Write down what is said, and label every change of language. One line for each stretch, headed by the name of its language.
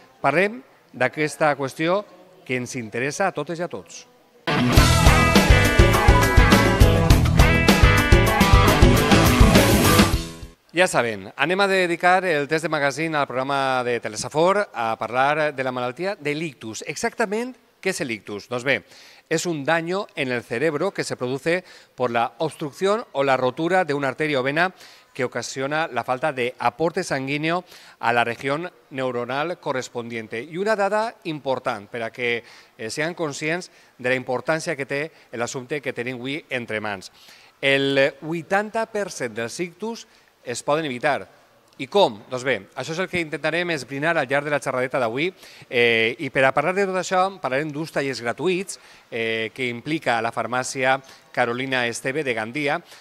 Catalan: Parlem d'aquesta qüestió que ens interessa a totes i a tots. Ja saben, anem a dedicar el Test de Magazine al programa de Telesafor a parlar de la malaltia de l'ictus. Exactament què és l'ictus? Doncs bé, és un
Spanish: daño en el cerebro que se produce por la obstrucción o la rotura de una arteria o vena que ocasiona la falta de aporte sanguíneo a la región neuronal correspondiente.
Catalan: I una dada important per a que sean conscients de la importància que té l'assumpte que tenim avui entre mans. El 80% dels ictus es poden evitar. I com? Doncs bé, això és el que intentarem esbrinar al llarg de la xerradeta d'avui. I per a parlar de tot això, parlarem d'uns tallers gratuïts que implica la farmàcia Carolina Esteve de Gandia.